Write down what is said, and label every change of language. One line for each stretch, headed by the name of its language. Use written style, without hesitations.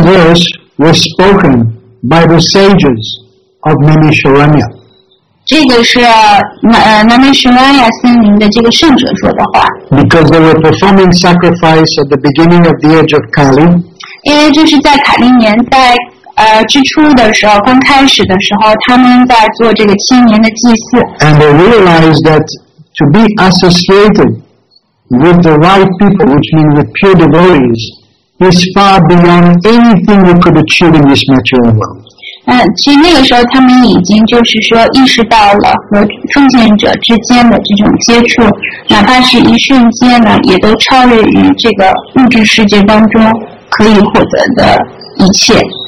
English: verses were spoken by the sages of many Sharanya.
Chinese: 这个是南美什瓦亚森林的这个圣者说的话。
English: Because they were performing sacrifice at the beginning of the age of Kali.
Chinese: 因为这是在卡利年代之初的时候，刚开始的时候，他们在做这个青年的祭祀。
English: And they realized that to be associated with the right people, which means with pure devotees, is far beyond anything we could achieve in this material world.
Chinese: 其实那个时候他们已经就是说意识到了和奉献者之间的这种接触，哪怕是一瞬间呢，也都超越于这个物质世界当中可以获得的一切。